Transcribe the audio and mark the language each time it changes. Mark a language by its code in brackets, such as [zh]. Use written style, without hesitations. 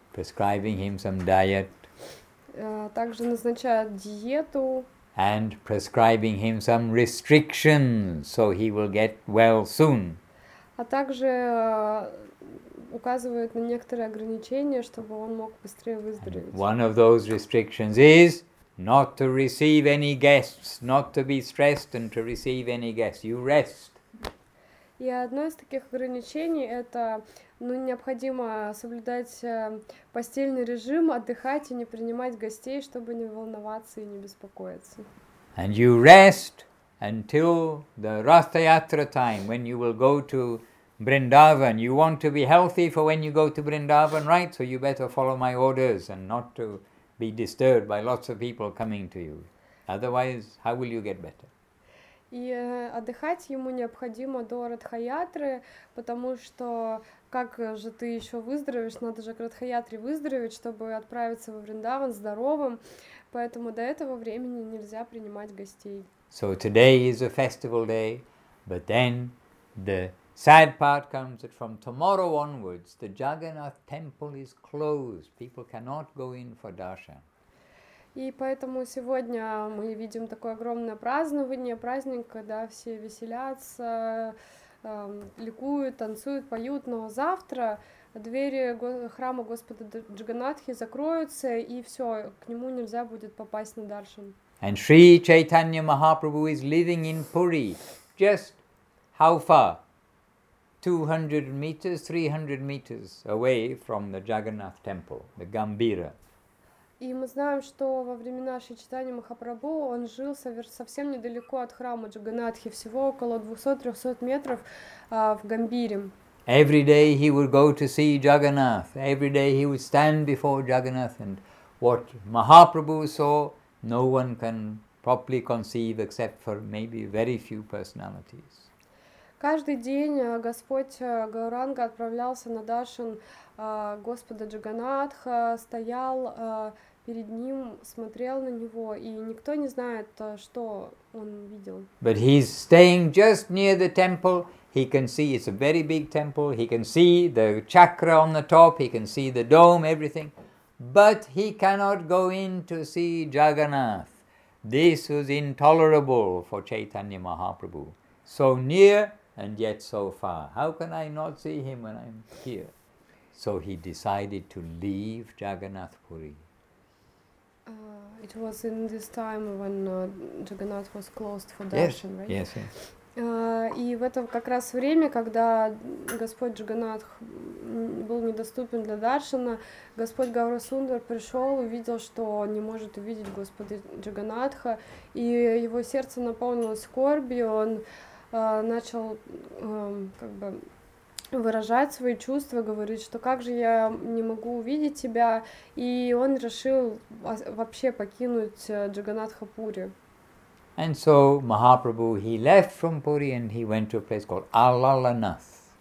[en] Prescribing him some diet. [ru] Также назначает диету. [en] And prescribing him some restrictions, so he will get well soon. [ru] А также указывают на некоторые ограничения, чтобы он мог быстрее выздороветь. [en] And one of those restrictions is not to receive any guests, not to be stressed and to receive any guests. You rest. [ru] И одно из таких ограничений это, ну, необходимо соблюдать постельный режим, отдыхать и не принимать гостей, чтобы не волноваться и не беспокоиться. [en] And you rest until the Ratha Yatra time, when you will go to Vrindavan, you want to be healthy for when you go to Vrindavan, right? So you better follow my orders and not to be disturbed by lots of people coming to you. Otherwise, how will you get better? [ru] И отдыхать ему необходимо до Радхаятры, потому что как же ты еще выздоровеешь? Надо же к Радхаятре выздороветь, чтобы отправиться во Вриндаван здоровым. Поэтому до этого времени нельзя принимать гостей. [en] So today is a festival day, but then the sad part comes that from tomorrow onwards, the Jagannath temple is closed. People cannot go in for darshan. [ru] И поэтому сегодня мы видим такое огромное празднование, праздник, когда все веселятся, ликуют, танцуют, поют, но завтра двери храма Господа Джаганнатхи закроются, и все, к нему нельзя будет попасть на даршан. [en] And Sri Chaitanya Mahaprabhu is living in Puri. Just how far? 200 meters, 300 meters away from the Jagannath temple, the Gambira. [ru] И мы знаем, что во времена Шри Чайтаньи Махапрабху он жил совсем недалеко от храма Джаганнатхи, всего около 200-300 метров в Гамбире. [en] Every day he would go to see Jagannath. Every day he would stand before Jagannath, and what Mahaprabhu saw, no one can properly conceive except for maybe very few personalities. [ru] Каждый день Господь Гауранга отправлялся на даршан Господа Джаганнатха, стоял перед ним, смотрел на него, и никто не знает, что он видел. [en] But he's staying just near the temple. He can see, it's a very big temple. He can see the chakra on the top, he can see the dome, everything. But he cannot go in to see Jagannath. This was intolerable for Chaitanya Mahaprabhu. So near and yet so far. How can I not see him when I'm here? So he decided to leave Jagannath Puri. It was in this time when Jagannath was closed for darshan, yes, right? Yes, yes. [ru] И в это как раз время, когда Господь Джаганнатх был недоступен для даршана, Господь Гаурасундар пришел, увидел, что он не может увидеть Господа Джаганнатха, и его сердце наполнилось скорбью, он начал как бы выражать свои чувства, говорить, что как же я не могу увидеть тебя, и он решил вообще покинуть Джаганнатха Пури. [en] And so Mahaprabhu, he left from Puri and he went to a place called Alalanath.